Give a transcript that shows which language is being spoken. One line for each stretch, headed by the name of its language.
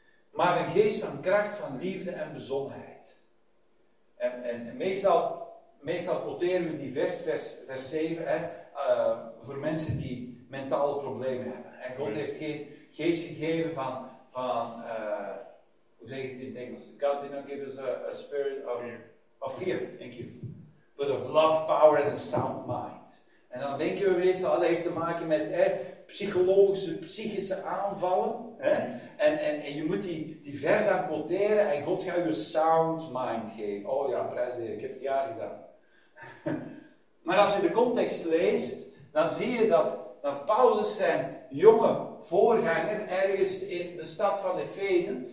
Dutch: Maar een geest van kracht, van liefde en bezonnenheid. En meestal quoteren we die vers 7 voor mensen die mentale problemen hebben. En God heeft geen geest gegeven van hoe zeg je het in het Engels?
English: God did not give us a spirit of fear, thank you. But of love, power and a sound mind.
Dutch: En dan denken we weer eens, dat heeft te maken met psychische aanvallen. En je moet die vers aan quoteren en God gaat je een sound mind geven. Oh ja, prijs de Heer, ik heb het jaar gedaan. Maar als je de context leest, dan zie je dat Paulus zijn jonge voorganger ergens in de stad van Efeze.